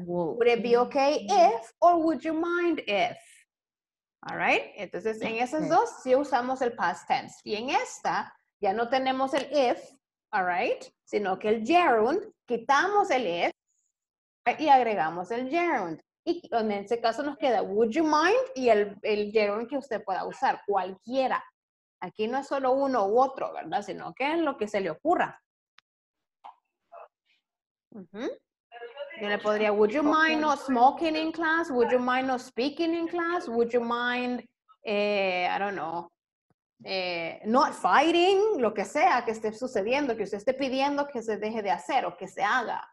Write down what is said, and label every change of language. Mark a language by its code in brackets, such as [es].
[en] Would it be okay if or would you mind if? All right. [es] Entonces, en esas dos sí usamos el past tense. Y en esta ya no tenemos el if, [en] all right, [es] sino que el gerund, quitamos el if y agregamos el gerund. Y en ese caso nos queda would you mind y el gerund que usted pueda usar, cualquiera. Aquí no es solo uno u otro, ¿verdad? Sino que es lo que se le ocurra. [en] Uh-huh. [es] Yo le podría, [en] would you mind not smoking in class? Would you mind not speaking in class? Would you mind, I don't know, not fighting? [es] Lo que sea que esté sucediendo, que usted esté pidiendo que se deje de hacer o que se haga.